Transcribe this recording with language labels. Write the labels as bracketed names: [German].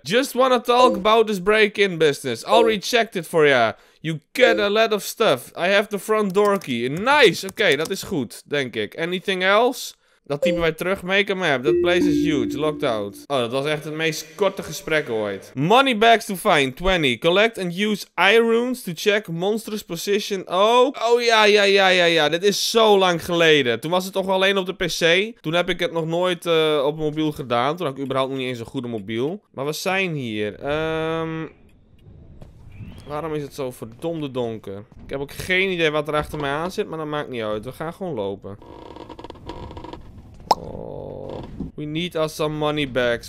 [English] Just wanna talk about this break-in business. I'll recheck it for ya. You get a lot of stuff. I have the front door key. [Dutch] Nice, oké, dat is goed, denk ik. [English] Anything else? [Dutch] Dat typen wij terug. [English] Make a map. That place is huge. Locked out. [Dutch] Oh, dat was echt het meest korte gesprek ooit. [English] Money bags to find. 20. Collect and use iRunes to check monster's position. Oh. [Dutch] Oh ja, ja, ja, ja, ja. Dit is zo lang geleden. Toen was het toch alleen op de PC. Toen heb ik het nog nooit op mobiel gedaan. Toen had ik überhaupt nog niet eens een goede mobiel. Maar we zijn hier. Waarom is het zo verdomde donker? Ik heb ook geen idee wat er achter mij aan zit. Maar dat maakt niet uit. We gaan gewoon lopen. [English] Oh, we need us some money bags.